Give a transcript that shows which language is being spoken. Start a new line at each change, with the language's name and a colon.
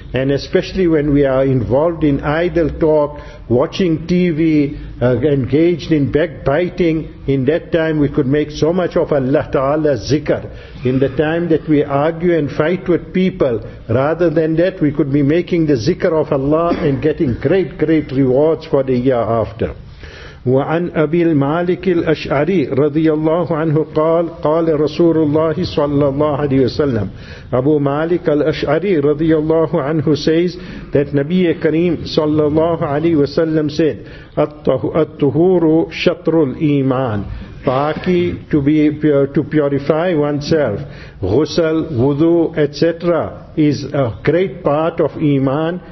English: And especially when we are involved in idle talk, watching TV, engaged in backbiting, in that time we could make so much of Allah Ta'ala's zikr. In the time that we argue and fight with people, rather than that we could be making the zikr of Allah and getting great, great rewards for the year after.
Arabic: وعن أبي المالك الأشعري رضي الله عنه قال قال رسول الله صلى الله عليه وسلم.
English: Abu Malik al-Ash'ari radiyallahu anhu says that Nabiya Kareem sallallahu alayhi wa sallam said,
Arabic: At-tuhuru shatrul iman.
English: Paaki, to purify oneself. Ghusl, wudu, etc. is a great part of Iman.